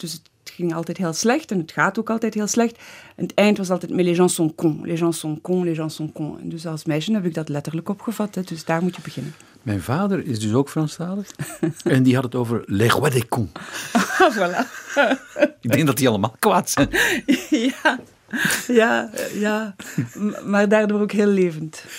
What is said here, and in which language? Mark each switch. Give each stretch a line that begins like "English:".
Dutch: Dus het ging altijd heel slecht en het gaat ook altijd heel slecht. En het eind was altijd,
French: mais les gens sont cons, les gens sont cons, les gens sont cons.
Dutch: En dus als meisje heb ik dat letterlijk opgevat, hè. Dus daar moet je beginnen. Mijn vader is dus ook Franstalig en die had het over
French: les rois des cons.
Dutch: Voilà. Ik denk dat die allemaal kwaad zijn. Ja, maar daardoor ook heel levend.